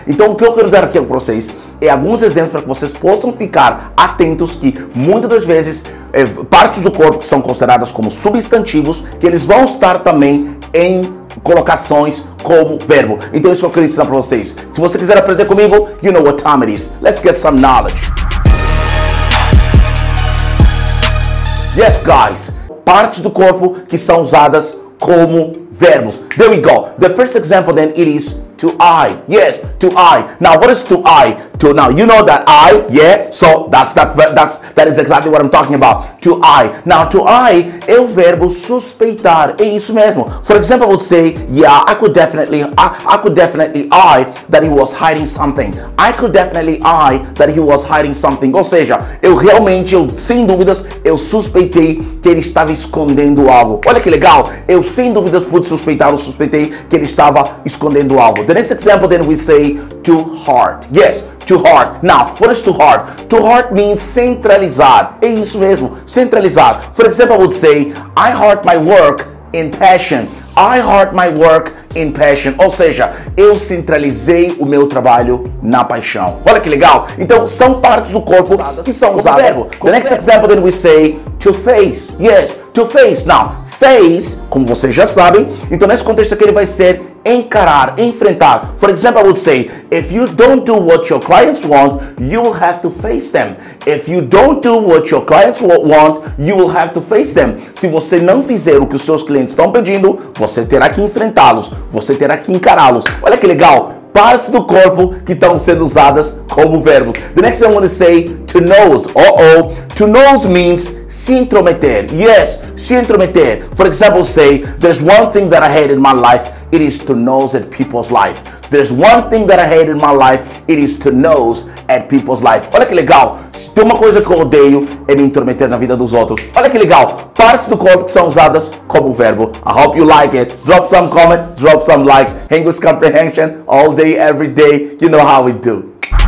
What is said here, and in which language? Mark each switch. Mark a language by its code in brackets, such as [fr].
[pt] Então, o que eu quero dar aqui para vocês é alguns exemplos para que vocês possam ficar atentos que, muitas das vezes, partes do corpo que são consideradas como substantivos, que eles vão estar também em colocações como verbo. Então, isso que eu queria ensinar para vocês. Se você quiser aprender comigo, [en] you know what time it is. Let's get some knowledge. Yes, guys. [pt] Partes do corpo que são usadas como verbos. [en] There we go. The first example, then, it is to eye. Yes, to eye. Now, what is to eye? To now, you know that eye, yeah? So, that is exactly what I'm talking about. To eye. Now, to eye [pt] é o verbo suspeitar. É isso mesmo. [en] For example, I would say, yeah, I could definitely eye that he was hiding something. I could definitely eye that he was hiding something. [pt] Ou seja, eu suspeitei que ele estava escondendo algo. Olha que legal. Eu, sem dúvidas, pude suspeitar ou suspeitei que ele estava escondendo algo. [en] The next example, then, we say to heart. Yes, to heart. Now, what is to heart? To heart means centralizar. [pt] É isso mesmo, centralizar. [en] For example, I would say, I heart my work in passion. I heart my work in passion. [pt] Ou seja, eu centralizei o meu trabalho na paixão. Olha que legal. Então, são partes do corpo que são usadas. [en] The next example, then, we say to face. Yes, to face. [pt] Now, face, como vocês já sabem, então, nesse contexto aqui, ele vai ser encarar, enfrentar. [en] For example, I would say, if you don't do what your clients want, you will have to face them. If you don't do what your clients want, you will have to face them. [pt] Se você não fizer o que os seus clientes estão pedindo, você terá que enfrentá-los, você terá que encará-los. Olha que legal, partes do corpo que estão sendo usadas como verbos. [en] The next thing I want to say, to nose. Uh-oh, to nose means [pt] se intrometer. [en] Yes, [pt] se intrometer. [en] For example, say, there's one thing that I hate in my life, it is to nose at people's life. There's one thing that I hate in my life, it is to nose at people's life. [pt] Olha que legal. Tem uma coisa que eu odeio, é me intrometer na vida dos outros. Olha que legal. Partes do corpo que são usadas como verbo. [en] I hope you like it. Drop some comment, drop some like. English comprehension, all day, every day. You know how we do.